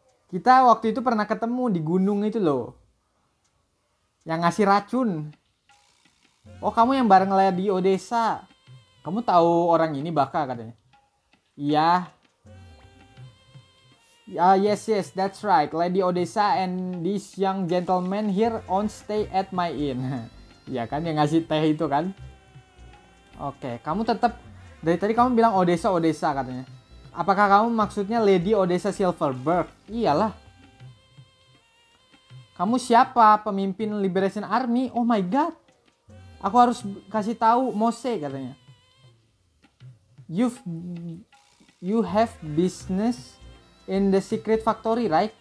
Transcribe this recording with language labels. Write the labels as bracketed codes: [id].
[id] Kita waktu itu pernah ketemu di gunung itu loh. Yang ngasih racun. Oh, kamu yang bareng Lady Odessa. Kamu tahu orang ini bakal katanya? Iya. [en] Yes, yes, that's right. Lady Odessa and this young gentleman here on stay at my inn. [id] Iya kan yang ngasih teh itu kan? Oke, okay. Kamu tetap dari tadi kamu bilang Odessa katanya. Apakah kamu maksudnya Lady Odessa Silverberg? Iyalah. Kamu siapa? Pemimpin Liberation Army? [en] Oh my god. [id] Aku harus kasih tahu Mose katanya. You've [en] You have business in the secret factory, right?